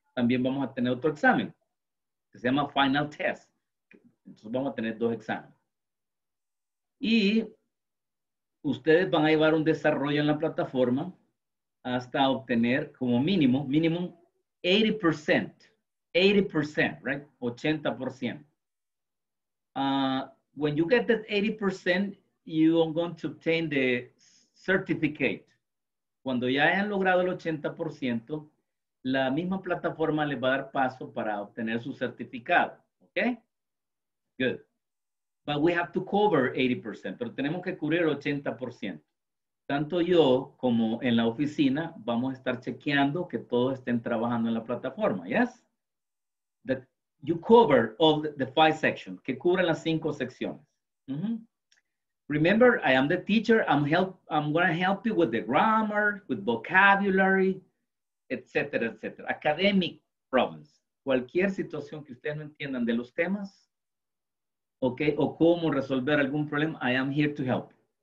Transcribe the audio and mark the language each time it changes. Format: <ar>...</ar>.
<es>también vamos a tener otro examen que se llama final test. Entonces vamos a tener dos exámenes. Y ustedes van a llevar un desarrollo en la plataforma hasta obtener como mínimo, 80%.</es> <en>80%, right? 80%. When you get that 80%, you are going to obtain the certificate.</en> <es>Cuando ya hayan logrado el 80%, la misma plataforma les va a dar paso para obtener su certificado.</es> <en>Okay? Good. But we have to cover 80%.</en> <es>Pero tenemos que cubrir el 80%. Tanto yo como en la oficina vamos a estar chequeando que todos estén trabajando en la plataforma.</es> <en>Yes? That you cover all the five sections.</en> <es>Que cubren las cinco secciones. Mm-hmm.</es> <en>Remember, I am the teacher. I'm going to help you with the grammar, with vocabulary, etc., etc. Academic problems.</en> <es>Cualquier situación que ustedes no entiendan de los temas, okay, o cómo resolver algún problema,</es> <en>I am here to help.</en>